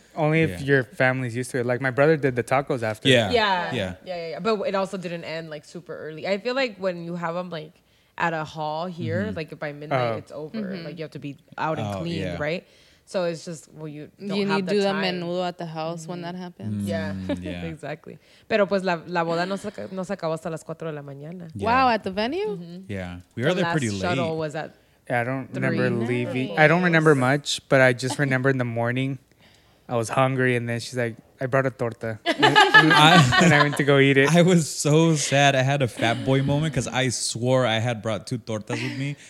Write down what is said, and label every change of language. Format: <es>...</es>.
<en>Only if your family's used to it. Like my brother did the tacos after. Yeah. But it also didn't end like super early. I feel like when you have them like at a hall here, like by midnight, it's over. Mm-hmm. Like you have to be out and clean, right? So it's just, you don't have the time. You need to do that menudo at the house when that happens. Yeah. Exactly.</en> <es>Pero pues la boda no se acabó hasta las 4 de la mañana.</es> <en>Yeah. Wow, at the venue? Mm-hmm. Yeah. We were there pretty late. The last shuttle was at I don't remember leaving. I don't remember much, but I just remember in the morning I was hungry, and then she's like, I brought a torta. And I went to go eat it. I was so sad. I had a fat boy moment because I swore I had brought two tortas with me.</en>